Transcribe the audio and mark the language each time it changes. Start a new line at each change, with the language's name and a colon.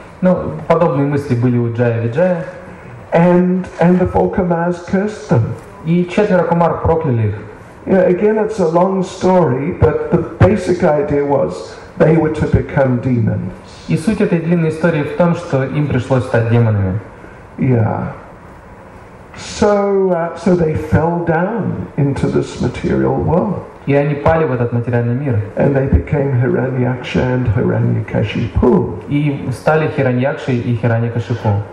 Russian: Ну, подобные мысли были у Джая и Виджая.
English: And the four kumars cursed them.
Russian: И четверо кумар прокляли их.
English: Yeah, again, it's a long story, but the basic idea was they were to become demons.
Russian: И суть этой длинной истории в том, что им пришлось стать демонами.
English: Yeah. So they fell down into this material world.
Russian: И они пали в этот материальный мир.
English: And they became Hiranyaksha and Hiranyakashipu.
Russian: И стали Хираньякшей и Хираньякашипу.